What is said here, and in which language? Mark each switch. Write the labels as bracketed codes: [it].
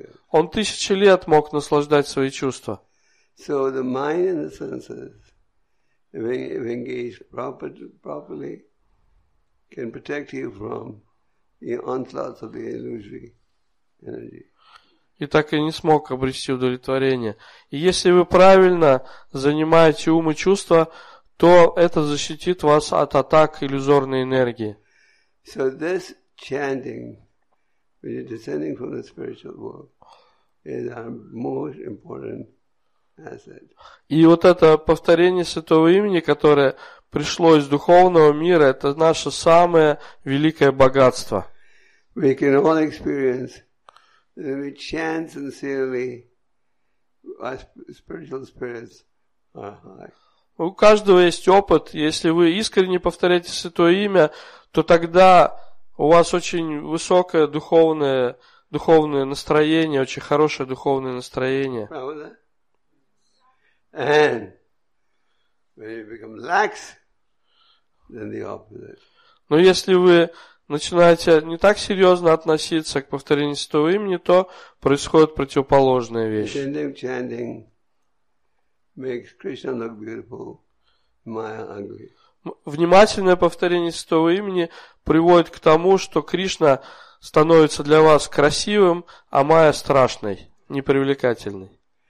[ru] Он тысячи лет мог наслаждать свои чувства. [en] So the mind and the senses, if engaged properly, can protect you from the onslaughts of the illusory energy. [ru] И так и не смог обрести удовлетворение. И если вы правильно занимаете ум и чувства, то это защитит вас от атак иллюзорной энергии. [en] So this chanting, which is descending from the spiritual world, is our most important asset. [ru] И вот это повторение святого имени, которое пришло из духовного мира, это наше самое великое богатство. [en] We can all experience. And we chant sincerely, our spiritual spirits are high. [ru] У каждого есть опыт. Если вы искренне повторяете святое имя, то тогда у вас очень высокое духовное настроение, очень хорошее духовное настроение. [en] And when you become lax, then the opposite. [ru] Но если вы начинаете не так серьезно относиться к повторению святого имени, то происходит противоположная вещь. Внимательное повторение святого имени приводит к тому, что Кришна становится для вас красивым, а Майя страшной, непривлекательной.